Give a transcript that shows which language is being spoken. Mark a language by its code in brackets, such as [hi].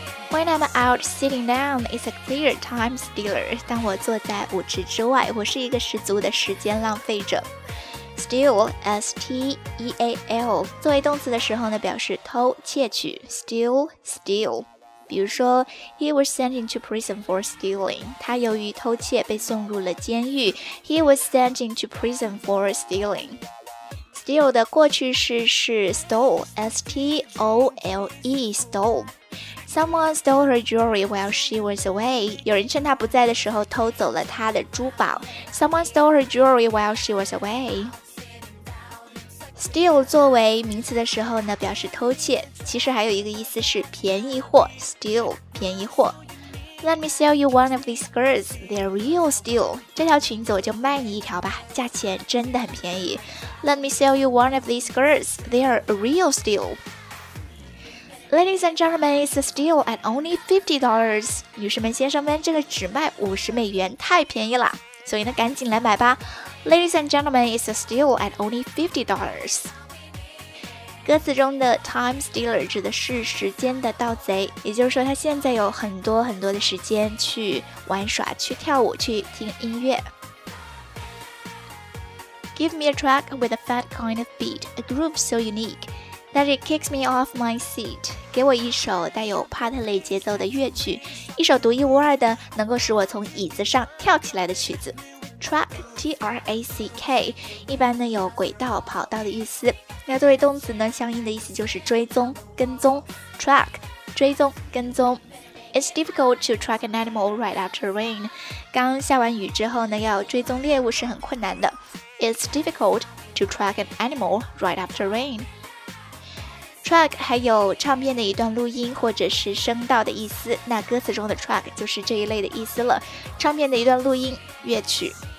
[en] When I'm out sitting down, it's a clear time stealer. [zh] 当我坐在舞池之外，我是一个十足的时间浪费者。 Steal, S-T-E-A-L, 作为动词的时候呢，表示偷、窃取。 [en] Steal, steal. [zh] 比如说 [en] He was sent into prison for stealing. [zh] 他由于偷窃被送入了监狱。 [en] He was sent into prison for stealing. Steal [zh] 的过去式是 [en] stole, S-T-O-L-E, stole. Someone stole her jewelry while she was away. [zh] 有人趁她不在的时候偷走了她的珠宝。 [en] Someone stole her jewelry while she was away. Steal [zh] 作为名词的时候呢，表示偷窃。其实还有一个意思是便宜货 ，steal 便宜货。 [en] Let me sell you one of these skirts. They're real steal. [zh] 这条裙子我就卖你一条吧，价钱真的很便宜。 [en] Let me sell you one of these skirts. They're real steal. Ladies and gentlemen, it's a steal at only $50. [zh] 女士们、先生们，这个只卖$50，太便宜了。所以呢，赶紧来买吧。 [en] Ladies and gentlemen, it's a steal at only $50. [zh] 歌词中的 time stealer 指的是时间的盗贼，也就是说他现在有很多很多的时间去玩耍、去跳舞、去听音乐。 [en] Give me a track with a fat kind of beat, a groove so unique that it kicks me off my seat. [zh] 给我一首带有帕特类节奏的乐曲，一首独一无二的能够使我从椅子上跳起来的曲子。 Track, T-R-A-C-K, 一般呢有轨道、跑道的意思。那作为动词呢，相应的意思就是追踪、跟踪。 Track, 追踪、跟踪。 [en] It's difficult to track an animal right after rain. [zh] 刚下完雨之后呢，要追踪猎物是很困难的。 [en] It's difficult to track an animal right after rain. [zh] Track 还有唱片的一段录音或者是声道的意思，那歌词中的 track 就是这一类的意思了，唱片的一段录音乐曲。